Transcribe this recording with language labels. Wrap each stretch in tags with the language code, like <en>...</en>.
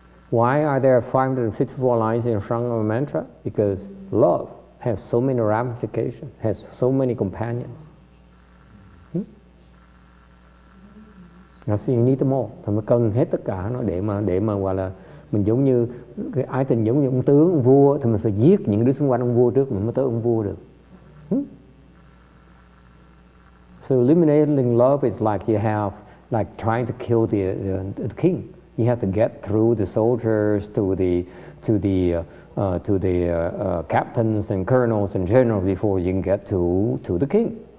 <en>Why are there 554 lines in the Sarangama mantra? Because love has so many ramifications, has so many companions. So you need them all.</en> <vi>Thì mình cần hết tất cả nó để mà gọi là mình giống như cái ái tình giống như ông tướng, ông vua, thì mình phải giết những đứa xung quanh ông vua trước mình mới tới ông vua được.</vi> <en>So eliminating love is like you have like trying to kill the king. You have to get through the soldiers to the captains and colonels and generals before you can get to the king.</en>